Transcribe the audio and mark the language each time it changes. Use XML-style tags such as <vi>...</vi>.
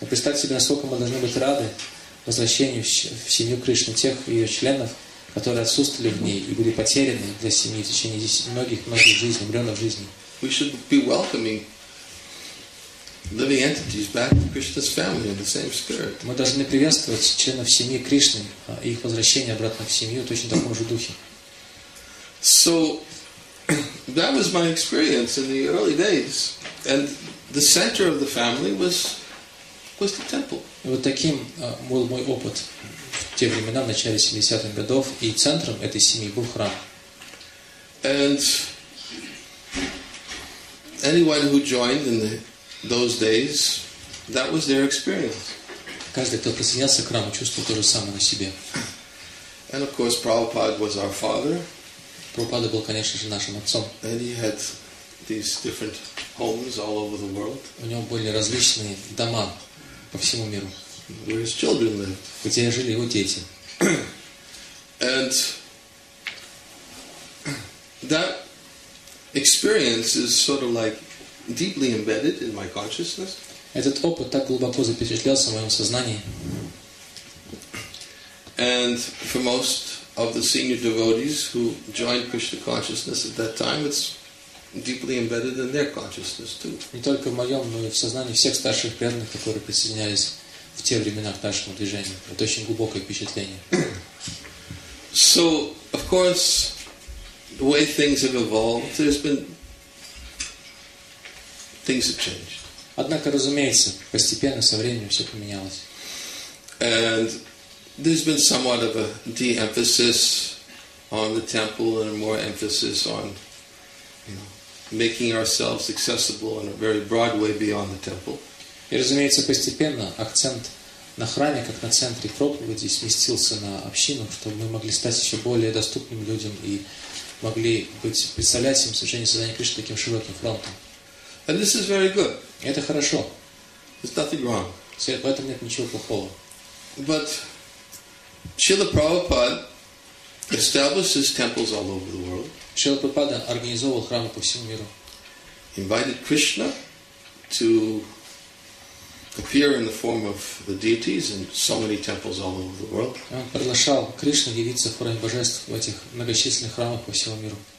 <ru>Представьте себе, насколько мы должны быть рады возвращению в семью Кришны тех ее членов, которые отсутствовали в ней и были потеряны для семьи в течение многих жизней, миллионов жизней.</ru> <en>We should be welcoming living entities back to Krishna's family in the same spirit.</en> <ru>Мы должны приветствовать членов семьи Кришны и их возвращение обратно в семью точно в таком же духе.</ru> <en>So that was my experience in the early days, and the center of the family was the temple.</en> <ru>Вот таким был мой опыт в те времена, в начале 70-х годов, и центром этой семьи был храм.</ru> <en>And anyone who joined in those days, that was their experience.</en> <ru>Каждый, кто присоединялся к храму, чувствовал то же самое на себе.</ru> <en>And of course, Prabhupada was our father.</en> <ru>Прабхупада был, конечно же, нашим отцом.</ru> <en>And he had these different homes all over the world.</en> <ru>У него были различные дома по всему миру.</ru> <en>Where his children lived.</en> <ru>Где жили его дети.</ru> <en>And that experience is sort of like deeply embedded in my consciousness.</en> <ru>Этот опыт так глубоко запечатлелся в моем сознании.</ru> <en>And for most of the senior devotees who joined Krishna consciousness at that time, it's deeply embedded in their consciousness too.</en> <ru>Не только в моем, но и в сознании всех старших преданных, которые присоединялись в те времена к нашему движению. Это очень глубокое впечатление.</ru> <en>So, of course, the way things have evolved, there's been things have changed.</en> <ru>Однако, разумеется, постепенно со временем все поменялось.</ru> <en>And there's been somewhat of a de-emphasis on the temple and a more emphasis on, you know, making ourselves accessible in a very broad way beyond the temple.</en> <ru>И, разумеется, постепенно акцент на храме, как на центре проповеди, сместился на общину, чтобы мы могли стать еще более доступным людям и могли быть представлять им совершение сознания Кришны таким широким фронтом.</ru> <en>And this is very good.</en> <ru>И это хорошо.</ru> <en>There's nothing wrong.</en> <ru>В этом нет ничего плохого.</ru> <en>But Srila Prabhupada establishes temples all over the world.</en> <ru>Srila Prabhupada организовал храмы по всему миру.</ru> <en>Invited Krishna to appear in the form of the deities in so many temples all over the world.</en> <ru>Он приглашал Кришну явиться в форме божеств в этих многочисленных храмах по всему миру.</ru>